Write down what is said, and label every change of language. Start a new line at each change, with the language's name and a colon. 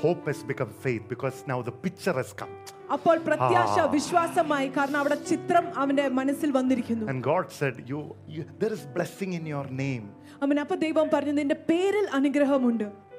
English: Hope has become faith because now the picture has come.
Malayalam: അപ്പോൾ പ്രത്യാശ വിശ്വാസമായി, കാരണം അവിടെ ചിത്രം അവന്റെ മനസ്സിൽ വന്നിരിക്കുന്നു.
English: And God said, you there is blessing in your name.
Malayalam: അവൻ അപ്പോൾ ദൈവം പറഞ്ഞു, നിന്റെ പേരിൽ അനുഗ്രഹമുണ്ട്.